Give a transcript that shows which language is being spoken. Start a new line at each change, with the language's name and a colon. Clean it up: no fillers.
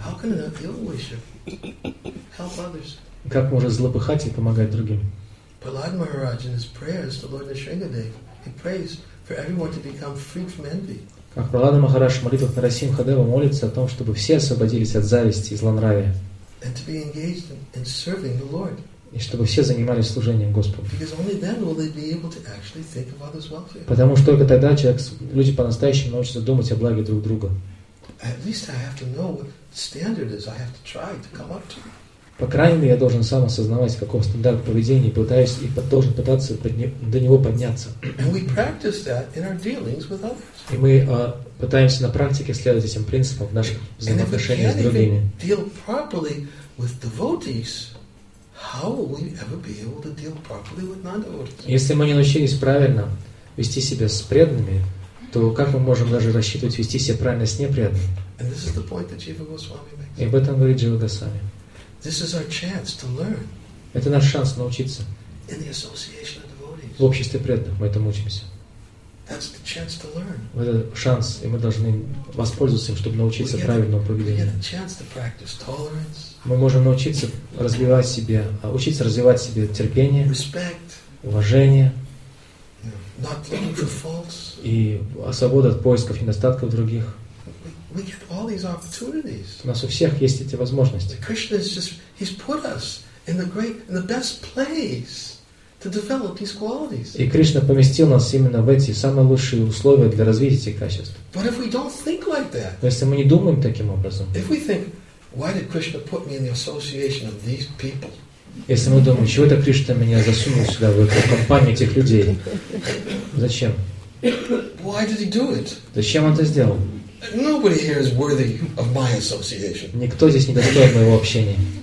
English: How can an ill wisher help others?
Russian: Как может злопыхатель помогать другим?
English: Prahlad Maharaj in his prayers to Lord Nrisimhadev, he prays for everyone to become free from envy.
Russian: Как Прахлада Махарадж в молитвах Нарасимхадева молится о том, чтобы все освободились от зависти и злонравия.
English: And to be engaged in serving the Lord.
Russian: И чтобы все занимались служением Господу.
English: Because only then will they be able to actually think of others' welfare.
Russian: Потому что только тогда люди по-настоящему научатся думать о благе друг друга.
English: At least I have to know what standard is. I have to try to come up to.
Russian: По крайней мере, я должен сам осознавать, каков стандарт поведения, пытаюсь и должен пытаться до него подняться.
English: And we practice that in our dealings with others.
Russian: И мы пытаемся на практике следовать этим принципам в наших взаимоотношениях с другими.
English: And if we can't even deal properly with devotees, how will we ever be able to deal properly with non-devotees?
Russian: Если мы не научились правильно вести себя с преданными, то как мы можем даже рассчитывать вести себя правильно с непреданными?
English: And this is the point that Jiva Goswami makes.
Russian: И об этом говорит Джива Госвами.
English: This is our chance to learn.
Russian: Это наш шанс научиться.
English: In the association of devotees.
Russian: в обществе преданных мы этому учимся.
English: That's the chance to learn.
Russian: Это шанс, и мы должны воспользоваться им, чтобы научиться правильному поведению.
English: We get a chance to practice tolerance.
Russian: Мы можем научиться развивать себе, учиться развивать себе терпение,
English: respect,
Russian: уважение,
English: not looking for faults,
Russian: и свободу от поисков недостатков других.
English: We get all these opportunities.
Russian: У нас у всех есть эти возможности.
English: Krishna has just, he's put us in the great, in the best place. To develop these qualities.
Russian: И Кришна поместил нас именно в эти самые лучшие условия для развития этих качеств.
English: But if we don't think like that,
Russian: но если мы не думаем таким образом,
English: if we think, why did Krishna put me in the association of these people?
Russian: Если мы думаем, чего это Кришна меня засунул сюда, в эту компанию этих людей? Зачем?
English: Why did he do it?
Russian: Зачем он это сделал?
English: Nobody here is worthy of my association.
Russian: Никто здесь не достоин моего общения.